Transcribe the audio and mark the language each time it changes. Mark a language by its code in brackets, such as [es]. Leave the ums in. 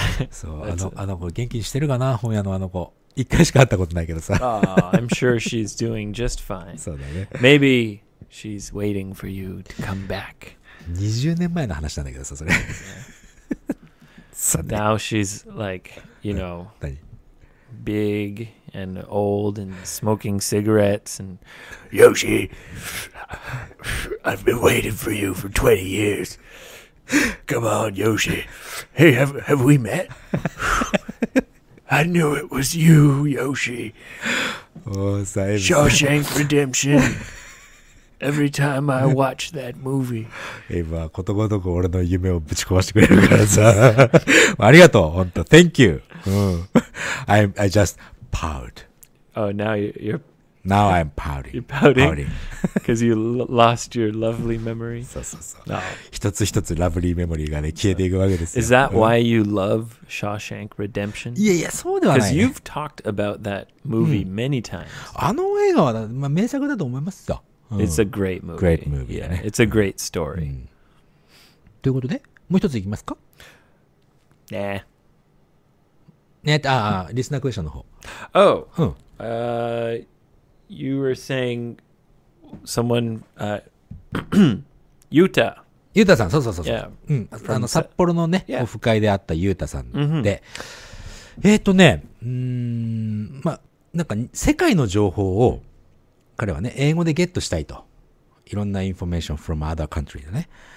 [ja] そう、あの、あの子、元気にしてるかな、本屋のあの子。一回しか会ったことないけどさ。 [en] oh, so, I'm sure she's doing just fine. [ja] そうだね。 [en] Maybe she's waiting for you to come back. [ja] 20年前の話なんだけどさ、それ。 [en] Now so she's like, you know, あれ? big and old and smoking cigarettes and Yoshi, I've been waiting for you for 20 years. Come on, Yoshi. Hey, have have we met? I knew it was you, Yoshi. Oh, Simon. Shawshank Redemption. Every time I watch that movie. Hey, Thank you. I I just bowed. Oh, now you're now I'm pouting. You're pouting. Because you lost your lovely memory. そうそうそう。 [ja] 一つ一つ oh. lovely memory がね、消えていくわけですよ。 [en] Is that why you love Shawshank Redemption? [ja] いやいや、そうではない。 [en] Because you've talked about that movie many times. [ja] あの映画は、まあ、名作だと思いますよ。 [en] It's a great movie. Great movie だね。It's yeah, a great story. [ja] ということで、もう一ついきますかねえ。ねえ、ああ、リスナークエッションの方。 Oh! うん。ということで、 [en] you were saying someone uh Utah. [ja] ユータさん、そうそうそう。うん、あの札幌のね、<Yeah. S 1> オフ会であったユータさんで。 Mm hmm. えっとね、うーん、ま、なんか、世界の情報を、彼はね、英語でゲットしたいと。いろんなインフォメーション [en] from other country [ja] だね。